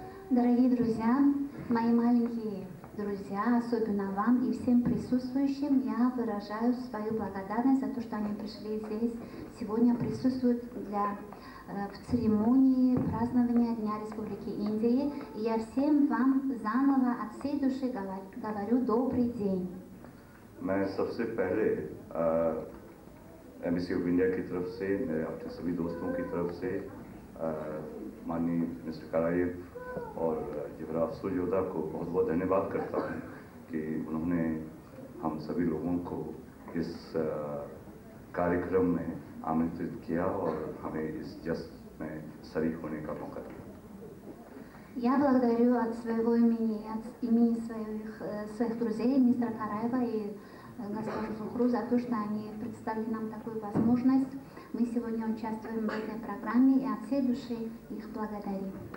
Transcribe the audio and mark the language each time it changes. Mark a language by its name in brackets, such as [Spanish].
[Russian] Дорогие друзья, мои маленькие Друзья, особенно вам и всем присутствующим, я выражаю свою благодарность за то, что они пришли здесь сегодня, присутствуют для в церемонии празднования Дня Республики Индии. И я всем вам заново от всей души говорю добрый день. [Hindi] और युवराज सुजोदा को बहुत-बहुत धन्यवाद करता हूं कि उन्होंने हम सभी लोगों को इस कार्यक्रम में आमंत्रित किया और हमें इस जश्न में शरीक होने का मौका दिया। [Russian] Я благодарю от своего имени, от имени своих друзей, мистера Караева и господина Зухру за то, что они представили нам такую возможность. Мы сегодня участвуем в этой программе и от всей души их благодарим.